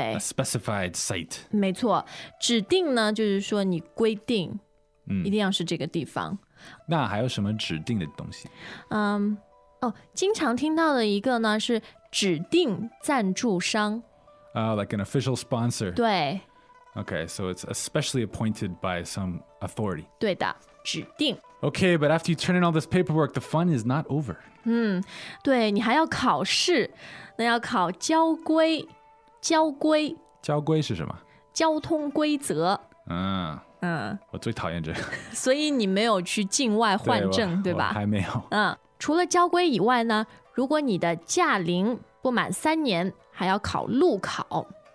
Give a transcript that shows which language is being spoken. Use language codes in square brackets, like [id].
[en] a specified site. [zh] 没错，指定呢就是说你规定一定要是这个地方。那还有什么指定的东西？经常听到的一个呢是指定赞助商。 [en] Like an official sponsor. [zh] 对。 [en] Okay, so it's especially appointed by some authority. [zh] 对的，指定。 [en] Okay, but after you turn in all this paperwork, the fun is not over. [zh] 对，你还要考试，那要考交规。交规。交规是什么？交通规则。我最讨厌这个。所以你没有去境外换证，对吧？我还没有。除了交规以外呢，如果你的驾龄不满3年，还要考路考。